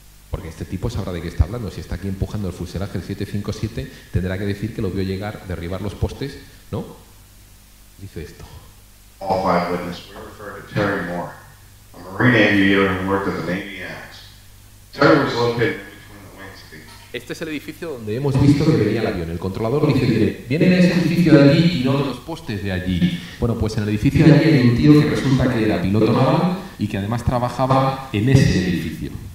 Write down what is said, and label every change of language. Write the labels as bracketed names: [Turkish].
[Spanish] Porque este tipo sabrá de qué está hablando. Si está aquí empujando el fuselaje del 757, tendrá que decir que lo vio llegar, derribar los postes, ¿no? Dice esto. [English] All five witnesses, we refer to Terry Moore, a Marine aviator who worked at the Navy Yards. Terry was located between the wings. [Spanish] Este es el edificio donde hemos visto que venía el avión. El controlador dice, viene en ese edificio de allí y no de los postes de allí. Bueno, pues en el edificio de allí hay un tío que resulta que era piloto naval y que además trabajaba en ese edificio.